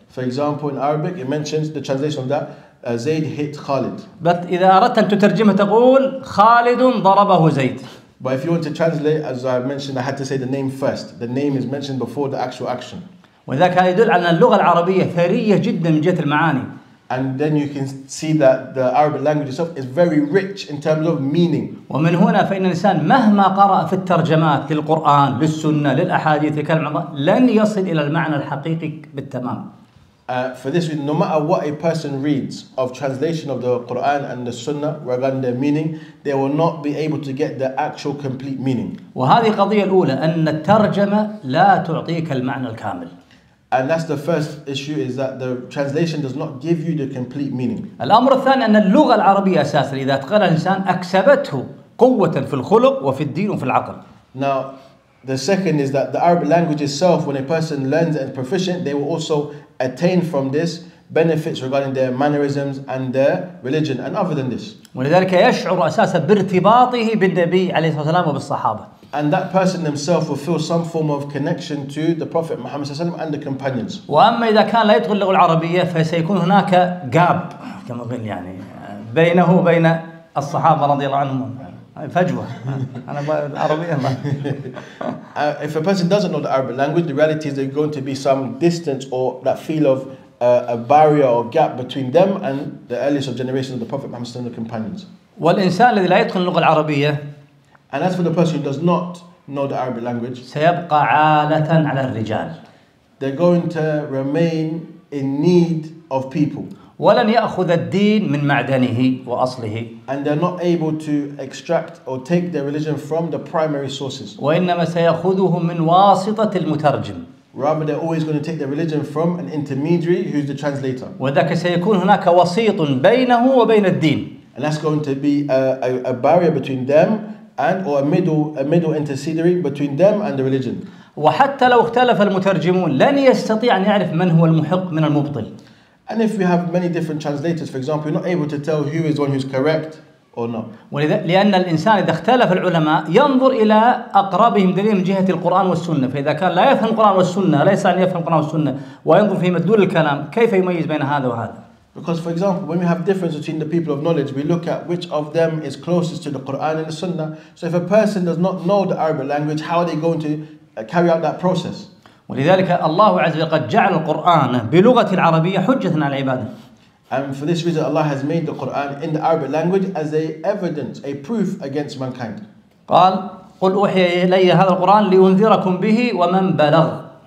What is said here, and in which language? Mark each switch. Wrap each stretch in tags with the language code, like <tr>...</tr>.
<en>For example, in Arabic, it mentions the translation of that Zayd hit Khalid.</en> <ar>But إذا أردت أن تترجمه تقول خالد ضربه زيد.</ar> <en>But if you want to translate, as I mentioned, I had to say the name first. The name is mentioned before the actual action.</en> <ar>وذلك يدل على اللغة العربية ثرية جدا من جهة المعاني.</ar> <en>And then you can see that the Arabic language itself is very rich in terms of meaning.</en> <ar>ومن هنا فإن الإنسان مهما قرأ في الترجمات للقرآن للسنة للأحاديث لكلام الله لن يصل إلى المعنى الحقيقي بالتمام.</ar> <en>For this reason, no matter what a person reads of translation of the Quran and the Sunnah regarding their meaning, they will not be able to get the actual complete meaning.</en> <ar>وهذه قضية الأولى أن الترجمة لا تعطيك المعنى الكامل.</ar> <en>And that's the first issue, is that the translation does not give you the complete meaning.</en> <ar>الأمر الثاني أن اللغة العربية أساسا إذا تقرأ الإنسان أكسبته قوة في الخلق وفي الدين وفي العقل.</ar> <en>Now, the second is that the Arabic language itself, when a person learns and proficient, they will also attain from this benefits regarding their mannerisms and their religion and other than this.</en> <ar>ولذلك يشعر أساسا بارتباطه بالنبي عليه الصلاة والسلام وبالصحابة.</ar> <en>And that person themselves will feel some form of connection to the Prophet Muhammad صلى الله عليه وسلم and the companions.</en> <ar>وأما إذا كان لا يتقن اللغة العربية فسيكون هناك gap كما قيل يعني بينه وبين الصحابة رضي الله عنهم. فجوة أنا العربية ما.</ar> <en>If a person doesn't know the Arabic language, the reality is there's going to be some distance or that feel of a barrier or gap between them and the earliest of generations of the Prophet Muhammad صلى الله عليه وسلم and the companions.</en> <ar>والإنسان الذي لا يتقن اللغة العربية.</ar> <en>And as for the person who does not know the Arabic language,</en> <ar>سيبقى عالة على الرجال.</ar> <en>They're going to remain in need of people.</en> <ar>ولن يأخذ الدين من معدنه وأصله.</ar> <en>And they're not able to extract or take their religion from the primary sources.</en> <ar>وإنما سيأخذه من واسطة المترجم.</ar> <en>Rather, they're always going to take their religion from an intermediary who's the translator.</en> <ar>وذاك سيكون هناك وسيط بينه وبين الدين.</ar> <en>And that's going to be a barrier between them and or a middle intermediary between them and the religion.</en> <ar>وحتى لو اختلف المترجمون لن يستطيع أن يعرف من هو المحق من المبطل.</ar> <en>And if you have many different translators, for example, you're not able to tell who is one who's correct or not.</en> <ar>ولذا لأن الإنسان إذا اختلف العلماء ينظر إلى أقربهم دليل من جهة القرآن والسنة. فإذا كان لا يفهم القرآن والسنة ليس أن يفهم القرآن والسنة وينظر في مدلول الكلام كيف يميز بين هذا وهذا.</ar> <en>Because, for example, when we have difference between the people of knowledge, we look at which of them is closest to the Quran and the Sunnah. So, if a person does not know the Arabic language, how are they going to carry out that process?</en> <ar>ولذلك الله عز وجل قد جعل القرآن بلغة العربية حجة على العبادة.</ar> <en>And for this reason, Allah has made the Quran in the Arabic language as a evidence, a proof against mankind.</en> <ar>قال قل أوحي إلي هذا القرآن لأنذركم به ومن بلغ.</ar>